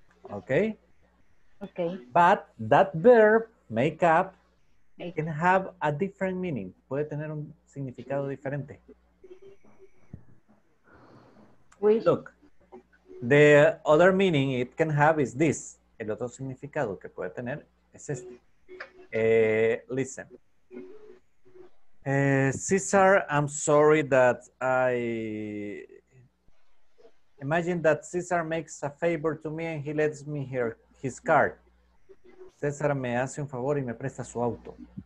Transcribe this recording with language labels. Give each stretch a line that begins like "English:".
English: Okay. Okay. But that verb, make up, can have a different meaning.
Spanish: Puede tener un significado diferente. Oui.
English: Look, the other meaning it can have is this.
Spanish: El otro significado que puede tener es este.
English: Listen. Cesar, I'm sorry that I... Imagine that Cesar makes a favor to me and he lets me hear his car.
Spanish: Cesar me hace un favor y me presta su auto.